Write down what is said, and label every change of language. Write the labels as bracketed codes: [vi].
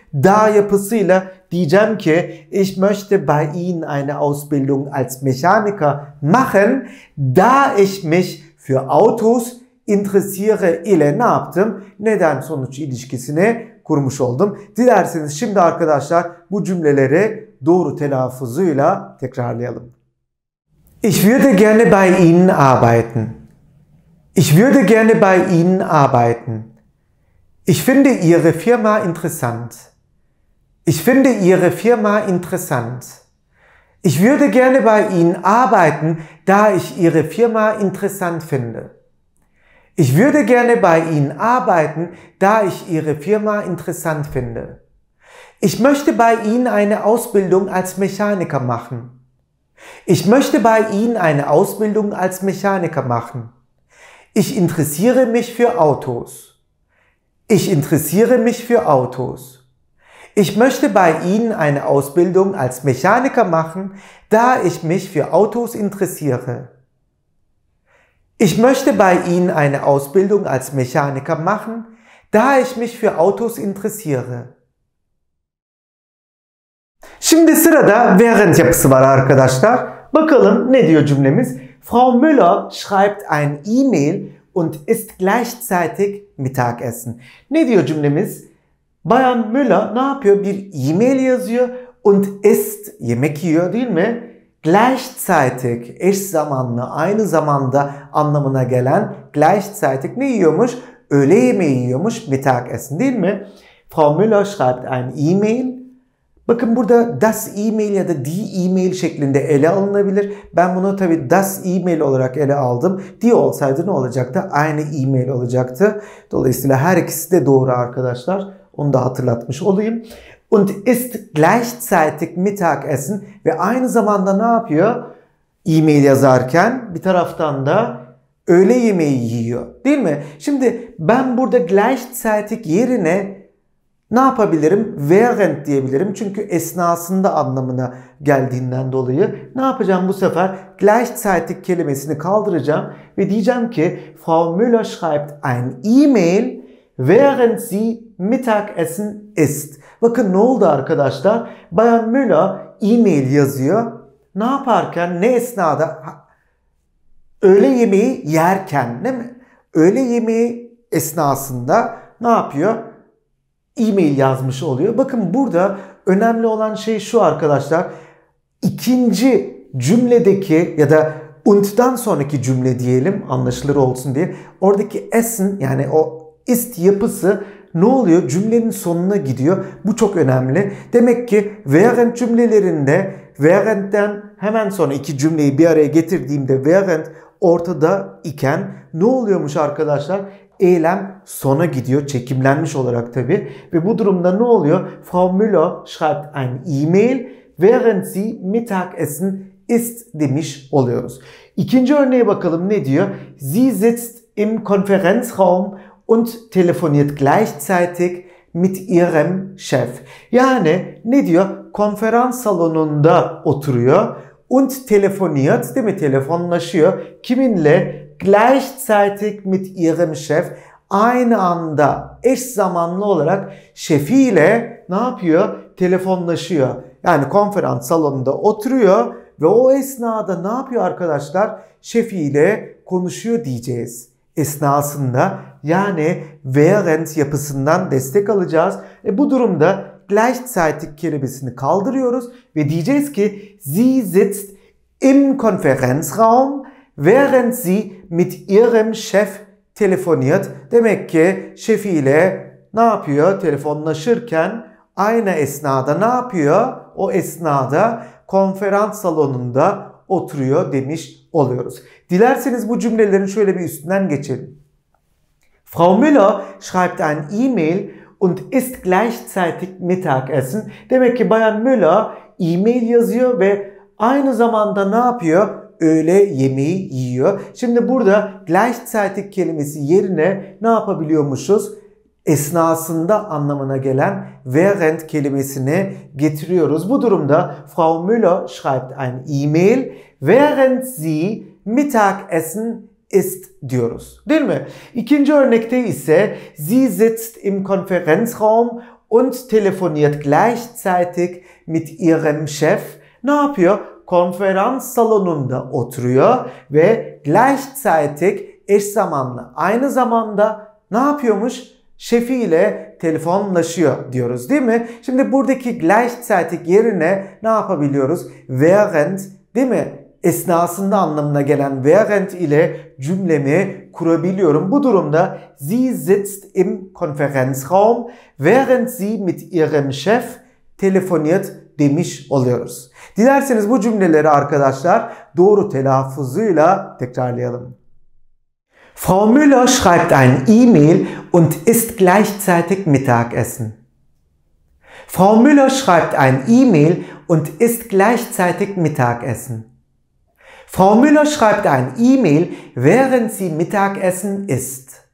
[tr] Da yapısıyla diyeceğim ki [de] Ich möchte bei Ihnen eine Ausbildung als Mechaniker machen. Da ich mich für Autos interessiere [tr] ile ne yaptım? Neden sonuç ilişkisini kurmuş oldum? Dilerseniz şimdi arkadaşlar bu cümleleri doğru telaffuzuyla tekrarlayalım. [de] Ich würde gerne bei Ihnen arbeiten. Ich würde gerne bei Ihnen arbeiten. Ich finde Ihre Firma interessant. Ich finde Ihre Firma interessant. Ich würde gerne bei Ihnen arbeiten, da ich Ihre Firma interessant finde. Ich würde gerne bei Ihnen arbeiten, da ich Ihre Firma interessant finde. Ich möchte bei Ihnen eine Ausbildung als Mechaniker machen. Ich möchte bei Ihnen eine Ausbildung als Mechaniker machen. Ich interessiere mich für Autos. Ich interessiere mich für Autos. Ich möchte bei Ihnen eine Ausbildung als Mechaniker machen, da ich mich für Autos interessiere. Ich möchte bei Ihnen eine Ausbildung als Mechaniker machen, da ich mich für Autos interessiere. [tr] Şimdi sırada [de] während [tr] yapısı var arkadaşlar. Bakalım ne diyor cümlemiz? [de] Frau Müller schreibt ein E-Mail und isst gleichzeitig Mittagessen. [tr] Ne diyor cümlemiz? Bayan Müller ne yapıyor? Bir E-Mail yazıyor [de] und isst, [tr] yemek yiyor değil mi? Gleichzeitig, eş zamanlı, aynı zamanda anlamına gelen gleichzeitig ne yiyormuş? Öğle yemeği yiyormuş, Mittagessen değil mi? [de] Frau Müller schreibt ein E-Mail. [tr] Bakın burada das E-Mail ya da die E-Mail şeklinde ele alınabilir. Ben bunu tabi das E-Mail olarak ele aldım. Die olsaydı ne olacaktı? Aynı E-Mail olacaktı. Dolayısıyla her ikisi de doğru arkadaşlar. Onu da hatırlatmış olayım. [de] Und ist gleichzeitig Mittagessen. [tr] Ve aynı zamanda ne yapıyor? E-Mail yazarken bir taraftan da öğle yemeği yiyor. Değil mi? Şimdi ben burada gleichzeitig yerine ne yapabilirim? Während diyebilirim. Çünkü esnasında anlamına geldiğinden dolayı. Ne yapacağım bu sefer? Gleichzeitig kelimesini kaldıracağım. Ve diyeceğim ki [de] Frau Müller schreibt ein E-Mail während sie Mittagessen isst. [tr] Bakın ne oldu arkadaşlar? Bayan Müller E-Mail yazıyor. Ne yaparken? Ne esnada? Öğle yemeği yerken değil mi? Öğle yemeği esnasında ne yapıyor? E-mail yazmış oluyor. Bakın burada önemli olan şey şu arkadaşlar. İkinci cümledeki ya da und'dan sonraki cümle diyelim anlaşılır olsun diye. Oradaki essen yani o ist yapısı ne oluyor? Cümlenin sonuna gidiyor. Bu çok önemli. Demek ki während cümlelerinde während'den hemen sonra iki cümleyi bir araya getirdiğimde während ortada iken ne oluyormuş arkadaşlar? Eylem sona gidiyor. Çekimlenmiş olarak tabii. Ve bu durumda ne oluyor? [de] Frau Müller schreibt ein E-Mail während sie Mittagessen isst [tr] demiş oluyoruz. İkinci örneğe bakalım ne diyor? [de] Sie sitzt im Konferenzraum und telefoniert gleichzeitig mit ihrem Chef. [tr] Yani ne diyor? Konferans salonunda oturuyor [de] und telefoniert [tr] değil mi? Telefonlaşıyor. Kiminle? [de] Gleichzeitig mit ihrem Chef, [tr] aynı anda eş zamanlı olarak şefiyle ne yapıyor? Telefonlaşıyor. Yani konferans salonunda oturuyor ve o esnada ne yapıyor arkadaşlar? Şefiyle konuşuyor diyeceğiz. Esnasında yani während yapısından destek alacağız. Bu durumda gleichzeitig kelimesini kaldırıyoruz ve diyeceğiz ki [de] sie sitzt im Konferenzraum während sie mit ihrem Chef telefoniert. [tr] Demek ki şefiyle ne yapıyor? Telefonlaşırken aynı esnada ne yapıyor? O esnada konferans salonunda oturuyor demiş oluyoruz. Dilerseniz bu cümlelerin şöyle bir üstünden geçelim. [de] Frau Müller schreibt ein E-Mail und ist gleichzeitig Mittagessen. [tr] Demek ki Bayan Müller E-Mail yazıyor ve aynı zamanda ne yapıyor? Öğle yemeği yiyor. Şimdi burada gleichzeitig kelimesi yerine ne yapabiliyormuşuz? Esnasında anlamına gelen während kelimesini getiriyoruz. Bu durumda [de] Frau Müller schreibt ein E-Mail, während sie Mittagessen ist [tr] diyoruz. Değil mi? İkinci örnekte ise [de] sie sitzt im Konferenzraum und telefoniert gleichzeitig mit ihrem Chef. [tr] Ne yapıyor? Konferans salonunda oturuyor ve gleichzeitig eş zamanlı aynı zamanda ne yapıyormuş? Şefiyle telefonlaşıyor diyoruz değil mi? Şimdi buradaki gleichzeitig yerine ne yapabiliyoruz? Während değil mi? Esnasında anlamına gelen während ile cümlemi kurabiliyorum. Bu durumda [de] sie sitzt im Konferenzraum während sie mit ihrem Chef telefoniert [tr] demiş oluyoruz. Dilerseniz bu cümleleri arkadaşlar doğru telaffuzuyla tekrarlayalım. [de] Frau Müller schreibt ein E-Mail und isst gleichzeitig Mittagessen. Frau Müller schreibt ein E-Mail und isst gleichzeitig Mittagessen. Frau Müller schreibt ein E-Mail, während sie Mittagessen isst.